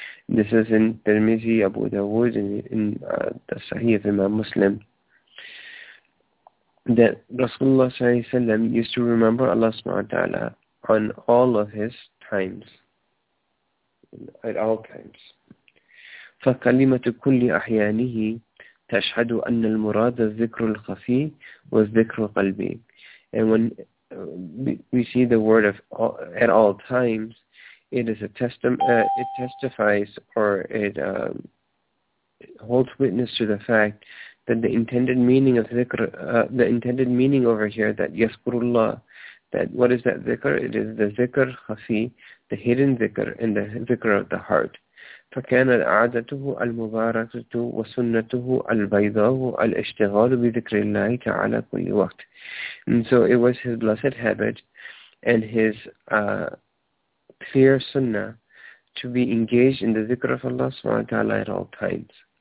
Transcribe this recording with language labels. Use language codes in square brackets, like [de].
[en] This is in Tirmizi, Abu Dawood, in the Sahih of Imam Muslim, that Rasulullah صلى الله عليه وسلم used to remember Allah subhanahu wa ta'ala on all of his times, at all times. [ar] فكلمة كل أحيانه تشهد أن المراد الذكر الخفي والذكر القلبي. [en] And when we see the word of at all times, it is a it testifies, or it holds witness to the fact that the intended meaning of ذكر, the intended meaning over here, that يذكر الله, that what is that ذكر? It is the ذكر الخفي, the hidden ذكر, and the ذكر of the heart. [ar] فكانت عادته المباركة وسنته البيضاء الاشتغال بذكر الله تعالى كل وقت. [en] And so it was his blessed habit and his clear sunnah to be engaged in the ذكر of Allah سبحانه وتعالى at all times.